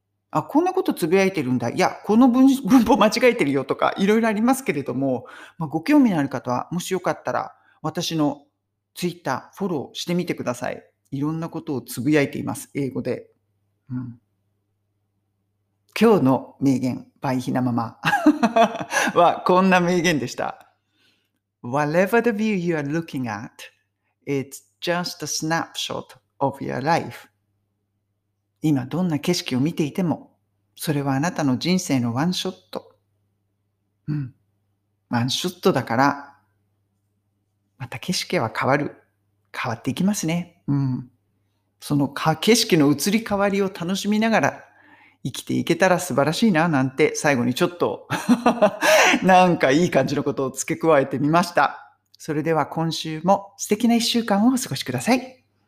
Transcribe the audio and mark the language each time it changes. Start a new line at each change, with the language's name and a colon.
Japanese: あ、こんなことつぶやいてるんだ。いや、この文法間違えてるよとか、いろいろありますけれども、まあ、ご興味のある方は、もしよかったら、私のツイッター、フォローしてみてください。いろんなことをつぶやいています。英語で。今日の名言、バイヒナママはこんな名言でした。
English: Whatever the view you are looking at, it's just a snapshot of your life.
Japanese: 今どんな景色を見ていても、それはあなたの人生のワンショット。ワンショットだから、また景色は変わる。変わっていきますね。その景色の移り変わりを楽しみながら、生きていけたら素晴らしいななんて最後にちょっとなんかいい感じのことを付け加えてみました。それでは今週も素敵な一週間をお過ごしください。